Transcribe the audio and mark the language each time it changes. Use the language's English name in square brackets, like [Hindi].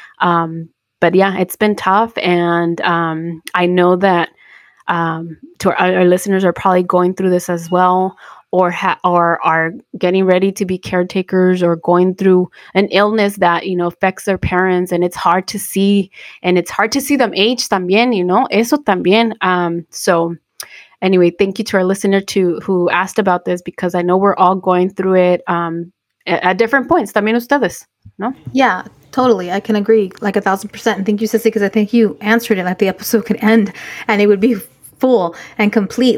[English] But yeah, it's been tough. And I know that to our listeners are probably going through this as well, or are getting ready to be caretakers or going through an illness that, you know, affects their parents. And it's hard to see. And it's hard to see them age también, you know, [Spanish] eso también. [English] So anyway, thank you to our listener who asked about this, because I know we're all going through it at different points. [Spanish] También ustedes, ¿no? [English] Yeah, totally. I can agree like 1,000%. And thank you, Cecy, because I think you answered it, like the episode could end and it would be full and complete.